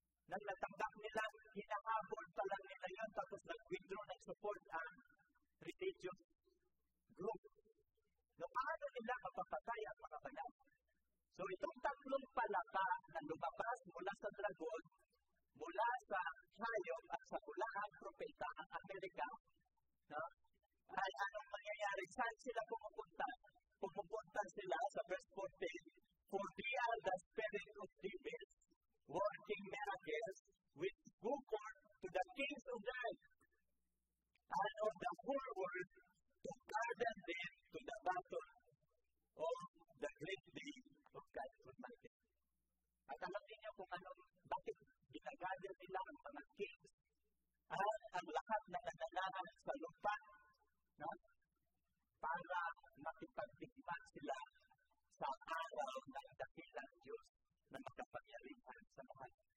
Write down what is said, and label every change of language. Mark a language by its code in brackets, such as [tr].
[tl] Nang natanggap nila, hinahabol pa lang nila yan tapos nag-withdraw ng support ang [en] religious group. [tl] No, paano nila mapapatay ang mga banal? So, itong tatlong palapa na lumabas mula sa dragon, mula sa hayop at sa ulahang propeta ang Amerika, no? Ay anong mangyayari? Saan sila pumupunta? Pumupunta sila sa verse 14, [en] for they are the spirit of demons, working miracles with good to the kings of the earth and of the whole world to gather them to the battle of the great day of God Almighty. [tl] At alam niyo kung ano, bakit ginagather nila ang mga kings at ang lahat na nananahan sa lupa, no? Para makipagdigman sila sa araw ng dakilang Diyos na makapangyarihan sa buhay.